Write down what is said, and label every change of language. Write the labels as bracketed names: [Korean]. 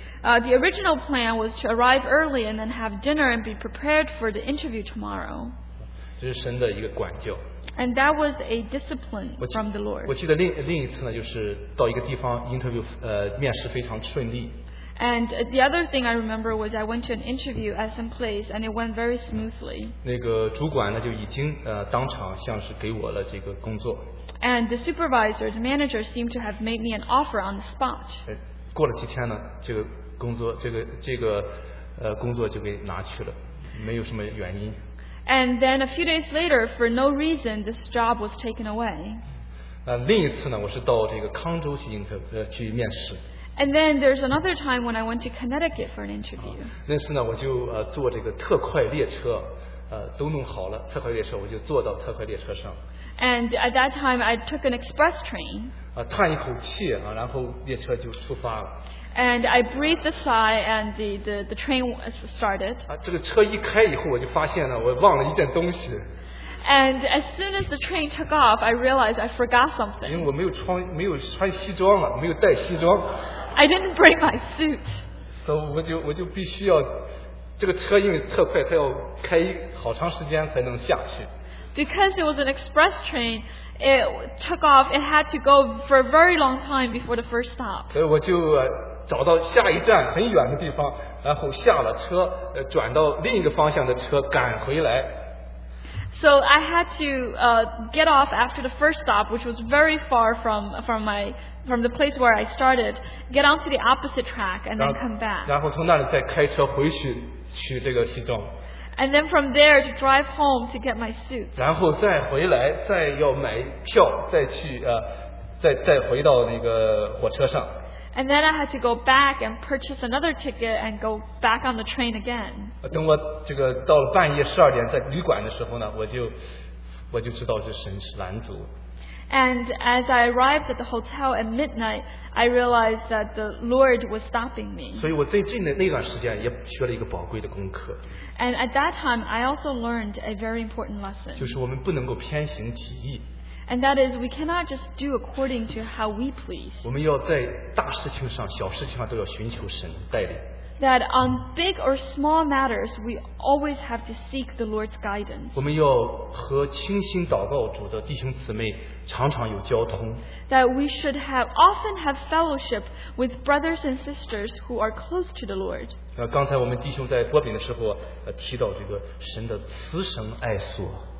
[English] The original plan was to arrive early and then have dinner and be prepared for the interview tomorrow. [Chinese] 这是神的一个管教。 [English] And that was a discipline from the Lord. [Chinese] 我记得另一次呢，就是到一个地方interview，面试非常顺利。 [English] And the other thing I remember was I went to an interview at some place and it went very smoothly. [Chinese] 那个主管呢就已经当场像是给我了这个工作。 [English] And the supervisor, the manager seemed to have made me an offer on the spot. [Chinese] 过了几天呢，这个工作就给拿去了，没有什么原因。 [English] And then a few days later, for no reason, this job was taken away. [Chinese] 另一次呢，我是到这个康州去面试。 [English] And then there's another time when I went to Connecticut for an interview. [Chinese] 那次呢，我就坐这个特快列车，都弄好了，特快列车，我就坐到特快列车上。 [English] And at that time, I took an express train. [Chinese] 啊，叹一口气啊，然后列车就出发了。 [English] And I breathed a sigh, and the train started. [Chinese] 啊，这个车一开以后，我就发现了，我忘了一件东西。 [English] And as soon as the train took off, I realized I forgot something. [Chinese] 因为我没有穿西装了，没有带西装。 [English] I didn't bring my suit. [Chinese] 所以我就必须要。这个车因为特快，它要开好长时间才能下去。 [English] Because it was an express train, it took off. It had to go for a very long time before the first stop. [Chinese] 所以我就找到下一站很远的地方，然后下了车，转到另一个方向的车赶回来。 [English] So I had to get off after the first stop, which was very far from the place where I started. Get onto the opposite track and then come back. [Chinese] 然后从那里再开车回去。取这个西装 [English] and then from there to drive home to get my suit. [Chinese] 然后再回来，再要买票，再去再回到那个火车上。 [English] And then I had to go back and purchase another ticket and go back on the train again. [Chinese] 等我这个到了半夜十二点在旅馆的时候呢，我就知道这神是拦阻。 [English] And as I arrived at the hotel at midnight, I realized that the Lord was stopping me. [Chinese] 所以我最近的那段时间也学了一个宝贵的功课。 [English] And at that time, I also learned a very important lesson. [Chinese] 就是我们不能够偏行己意。 [English] And that is, we cannot just do according to how we please. [Chinese] 我们要在大事情上、小事情上都要寻求神带领。 [English] That on big or small matters, we always have to seek the Lord's guidance. [Chinese] 我们要和倾心祷告主的弟兄姊妹常常有交通。 [English] That we should often have fellowship with brothers and sisters who are close to the Lord. [Chinese] 刚才我们弟兄在擘饼的时候提到这个神的慈绳爱索。